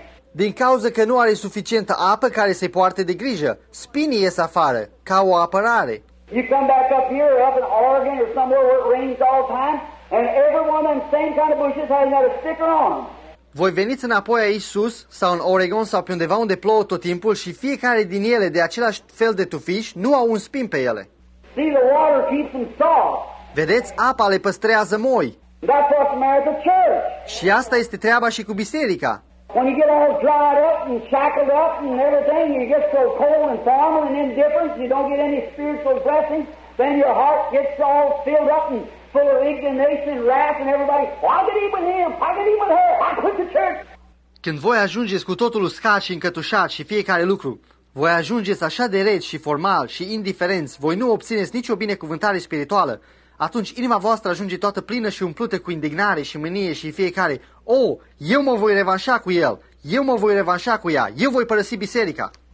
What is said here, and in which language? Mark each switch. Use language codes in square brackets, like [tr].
[ro] Din cauza că nu are suficientă apă care să-i poarte de grijă, spinii ies afară ca o apărare. [en] You come back up here, up in Oregon or somewhere where it rains all the time. And everyone in the same kind of bushes has got a sticker on. [ro] Voi veniți înapoi aici sus sau în Oregon sau pe undeva unde plouă tot timpul și fiecare din ele de același fel de tufiș nu au un spin pe ele. [en] See, the water keeps them soft. [ro] Vedeți, apa le păstrează moi. [en] That's what's the matter with the church. [ro] Și asta este treaba și cu biserica. [en] When you get all dried up and shackled up and everything, you get so cold and formal and indifferent, you don't get any spiritual blessing, then your heart gets all filled up and full of indignation, wrath, and everybody, why get even him? Why get even her? I quit the church. [ro] Când voi ajungeți cu totul uscat și încătușat și fiecare lucru, voi ajungeți așa de reci și formal și indiferenți, voi nu obțineți nicio binecuvântare spirituală. Atunci inima voastră ajunge toată plină și umplută cu indignare și mânie și fiecare, oh, eu mă voi revanșa cu el, eu mă voi revanșa cu ea, eu voi părăsi biserica.